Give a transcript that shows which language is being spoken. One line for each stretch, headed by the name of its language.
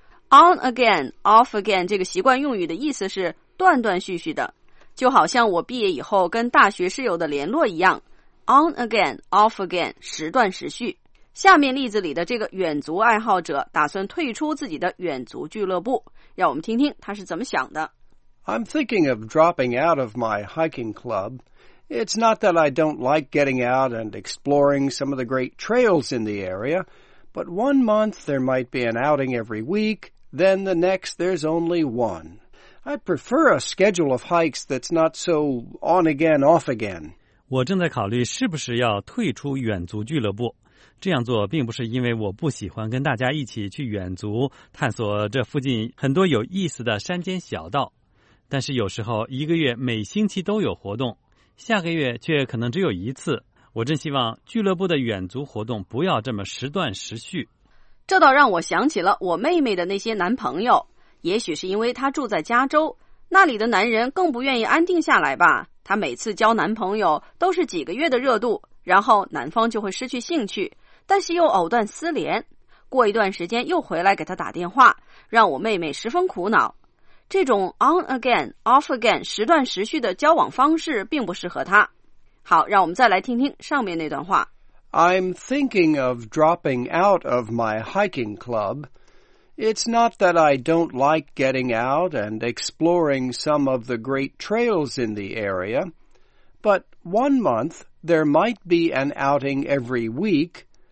English: On again, off again
Chinese: 这个习惯用语的意思是断断续续的，就好像我毕业以后跟大学室友的联络一样。
English: On again, off again,
Chinese: 时断时续。下面例子里的这个远足爱好者打算退出自己的远足俱乐部，让我们听听他是怎么想的。
English: I'm thinking of dropping out of my hiking club. It's not that I don't like getting out and exploring some of the great trails in the area, but one month there might be an outing every week. Then the next, there's only one. I prefer a schedule of hikes that's not so on again, off again.
Chinese: 我正在考虑是不是要退出远足俱乐部。这样做并不是因为我不喜欢跟大家一起去远足，探索这附近很多有意思的山间小道。但是有时候一个月每星期都有活动，下个月却可能只有一次。我真希望俱乐部的远足活动不要这么时断时续。这倒让我想起了我妹妹的那些男朋友，也许是因为她住在加州，那里的男人更不愿意安定下来吧。她每次交男朋友都是几个月的热度，然后男方就会失去兴趣，但是又藕断丝连，过一段时间又回来给她打电话，让我妹妹十分苦恼。这种
English: on again, off again,
Chinese: 时断时续的交往方式并不适合她。好，让我们再来听听上面那段话。
English: I'm thinking of dropping out of my hiking club. It's not that I don't like getting out and exploring some of the great trails in the area, but one month, there might be an outing every week.